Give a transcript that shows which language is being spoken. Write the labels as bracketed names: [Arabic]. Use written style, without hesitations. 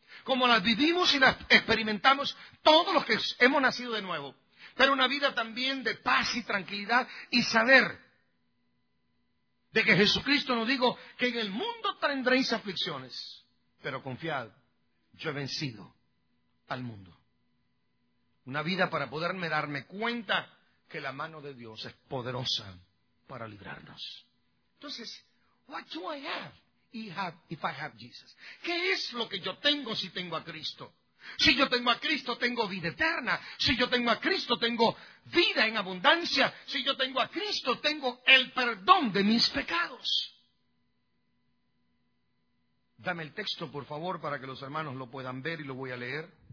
[Spanish] como las vivimos y las experimentamos todos los que hemos nacido de nuevo, pero una vida también de paz y tranquilidad y saber de que Jesucristo nos dijo que en el mundo tendréis aflicciones, pero confiad, yo he vencido al mundo. Una vida para poderme darme cuenta que la mano de Dios es poderosa para librarnos. [English] Entonces, what do I have if I have Jesus? [Spanish] ¿Qué es lo que yo tengo si tengo a Cristo? Si yo tengo a Cristo, tengo vida eterna. Si yo tengo a Cristo, tengo vida en abundancia. Si yo tengo a Cristo, tengo el perdón de mis pecados. Dame el texto, por favor, para que los hermanos lo puedan ver y lo voy a leer.